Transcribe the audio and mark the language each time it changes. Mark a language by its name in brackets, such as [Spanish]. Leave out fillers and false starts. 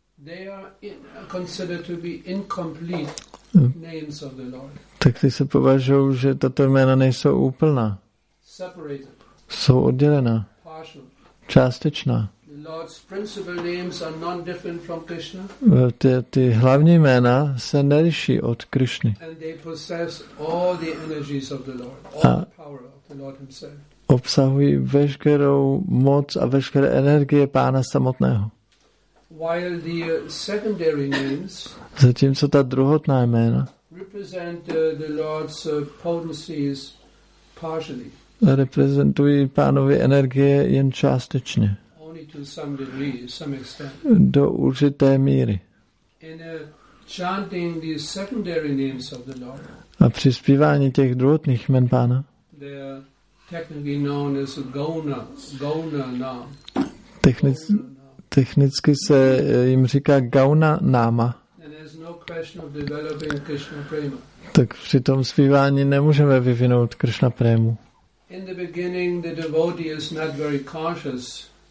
[English] They are considered to be incomplete names of the Lord. [Czech] Tak ty se považují, že tato jména nejsou úplná. [English] Separated. [Czech] Jsou oddělená. [English] Partial. [Czech] Částečná. [English] The Lord's principal names are non-different from Krishna. [Czech] Ty hlavní jména se neliší od Krishny. [English] And they possess all the energies of the Lord, all the power of the Lord himself. [Czech] Obsahují veškerou moc a veškeré energie Pána samotného. [English] While the secondary names, [Czech] zatímco ta druhotná jména [English] represent the Lord's potencies partially, [Czech] reprezentují Pánovi energie jen částečně. [English] Only to some degree, some extent. [Czech] Do určité míry. [English] In chanting the secondary names of the Lord, [Czech] a při zpívání těch druhotných jmen Pána, [English] technically known as Gauna Nam. [Czech] Technicky se jim říká Gauna Nama. [English] And there's no question of developing Krishna Prema. [Czech] Tak při tom zpívání nemůžeme vyvinout Krishna Prému. [English] In the beginning, the devotee is not very conscious.